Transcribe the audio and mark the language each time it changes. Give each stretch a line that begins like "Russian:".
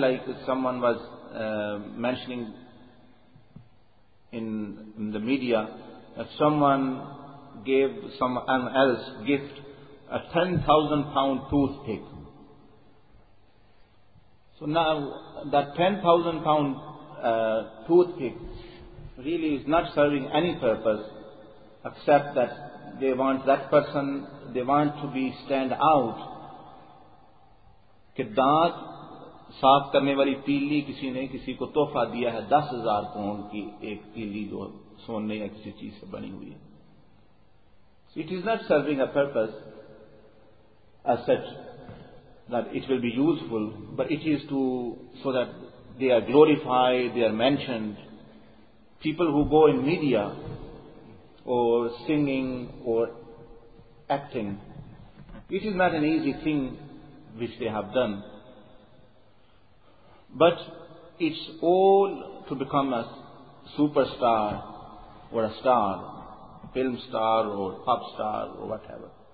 English: Like someone was mentioning in the media that someone gave someone else gift a 10,000-pound toothpick. So now that 10,000-pound toothpick really is not serving any purpose, except that they want that person, they want to be stand out.
Urdu: کہ دانت صاف کرنے والی پیلی کسی نے کسی کو تحفہ دیا ہے 10,000 pounds کی ایک پیلی جو سونے یا کسی چیز سے بنی ہوئی ہے.
English: So it is not serving a purpose as such that it will be useful, but it is to so that they are glorified, they are mentioned. People who go in media or singing or acting, it is not an easy thing which they have done, but it's all to become a superstar or a star, film star or pop star or whatever.